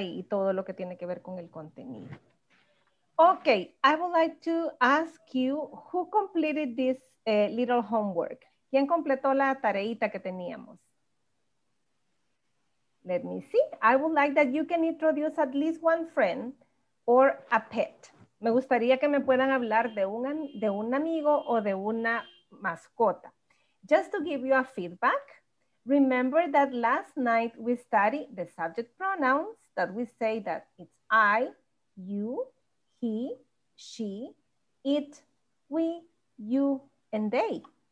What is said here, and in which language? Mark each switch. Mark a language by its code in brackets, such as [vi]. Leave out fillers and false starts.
[es] Y todo lo que tiene que ver con el contenido. [en] Okay, I would like to ask you who completed this little homework. [es] ¿Quién completó la tareita que teníamos? [en] Let me see. I would like that you can introduce at least one friend or a pet. [es] Me gustaría que me puedan hablar de un amigo o de una mascota. [en] Just to give you a feedback, remember that last night we studied the subject pronouns that we say that it's I, you, he, she, it, we, you, and they.